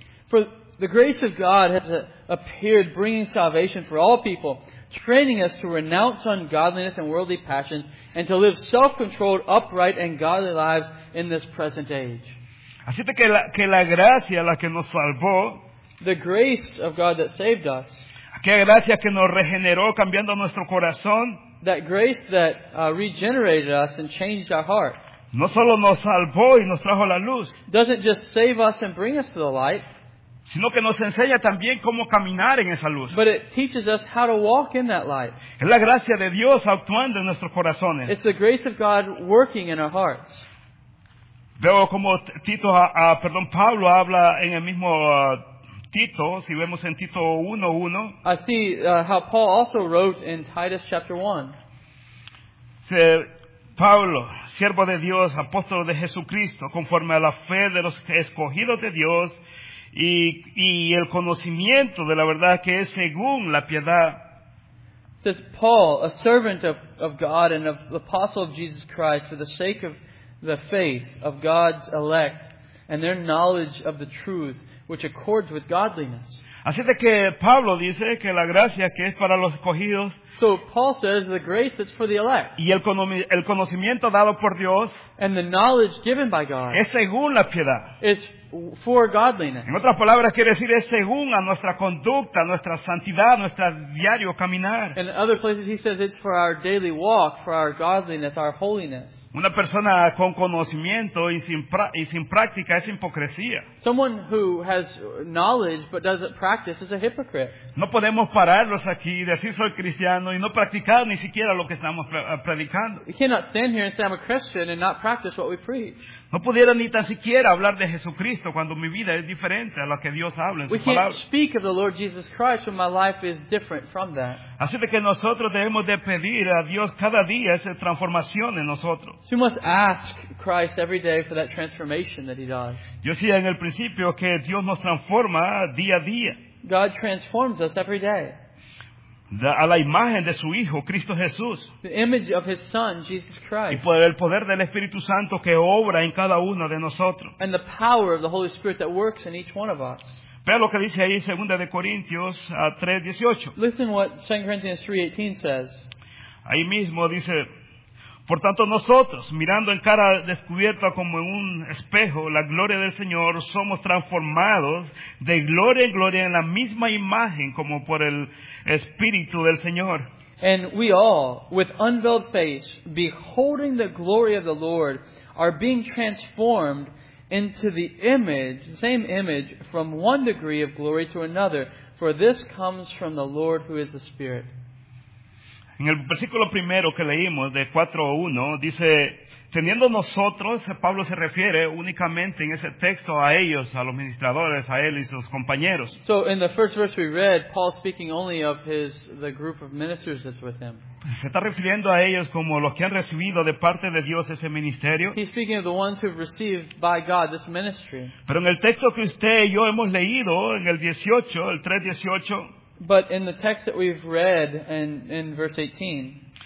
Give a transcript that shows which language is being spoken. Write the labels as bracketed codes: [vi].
[en] For the grace of God has appeared, bringing salvation for all people, training us to renounce ungodliness and worldly passions, and to live self-controlled, upright, and godly lives in this present age. [es] Así que la gracia la que nos salvó, [en] the grace of God that saved us, [es] aquella gracia que nos regeneró cambiando nuestro corazón, [en] that grace that regenerated us and changed our heart, [es] no solo nos salvó y nos trajo la luz, [en] doesn't just save us and bring us to the light, [es] sino que nos enseña también cómo caminar en esa luz. [en] But it teaches us how to walk in that light. [es] Es la gracia de Dios actuando en nuestros corazones. [en] It's the grace of God working in our hearts. [es] Veo como Tito, Pablo habla en el mismo Tito, si vemos en Tito 1:1. [en] I see how Paul also wrote in Titus chapter 1. [es] Dice, Pablo, siervo de Dios, apóstol de Jesucristo, conforme a la fe de los escogidos de Dios, y el conocimiento de la verdad que es según la piedad. [en] It says Paul, a servant of God and of the apostle of Jesus Christ, for the sake of the faith of God's elect and their knowledge of the truth, which accords with godliness. [es] Así de que Pablo dice que la gracia que es para los escogidos. [en] So Paul says the grace that's for the elect. [es] Y el conocimiento dado por Dios. [en] And the knowledge given by God. [es] Es según la piedad. [en] It's for godliness. [es] En otras palabras, quiere decir es según a nuestra conducta, nuestra santidad, nuestro diario caminar. [en] In other places he says it's for our daily walk, for our godliness, our holiness. [es] Una persona con conocimiento y sin práctica es hipocresía. [en] Someone who has knowledge but doesn't practice is a hypocrite. [es] No podemos pararlos aquí y decir soy cristiano y no practicar ni siquiera lo que estamos predicando. [en] We cannot stand here and say I'm a Christian and not practice what we preach. [es] No pudiera ni tan siquiera hablar de Jesucristo cuando mi vida es diferente a la que Dios habla en su palabra. [en] We can't speak of the Lord Jesus Christ when my life is different from that. [es] Así de que nosotros debemos de pedir a Dios cada día esa transformación en nosotros. [en] So we must ask Christ every day for that transformation that He does. [es] Yo decía en el principio que Dios nos transforma día a día. [en] God transforms us every day. [es] a la imagen de su Hijo, Cristo Jesús. [en] The image of his Son, Jesus Christ. [es] Y por el poder del Espíritu Santo que obra en cada uno de nosotros. [en] And the power of the Holy Spirit that works in each one of us. [es] Vea lo que dice ahí 2 Corintios 3:18. [en] Listen what 2 Corinthians 3:18 says. [es] Ahí mismo dice, por tanto nosotros, mirando en cara descubierta como en un espejo la gloria del Señor, somos transformados de gloria en gloria en la misma imagen como por el Espíritu del Señor. [en] And we all, with unveiled face, beholding the glory of the Lord, are being transformed into the image, the same image, from one degree of glory to another. For this comes from the Lord who is the Spirit. [es] En el versículo primero que leímos de 4:1 dice, teniendo nosotros, Pablo se refiere únicamente en ese texto a ellos, a los ministradores, a él y sus compañeros. [en] So in the first verse we read, Paul speaking only of the group of ministers that's with him. [es] Se está refiriendo a ellos como los que han recibido de parte de Dios ese ministerio. [en] He's speaking of the ones who've received by God this ministry. [es] Pero en el texto que usted y yo hemos leído, en el 18, el 3:18. [en] But in the text that we've read in verse 18.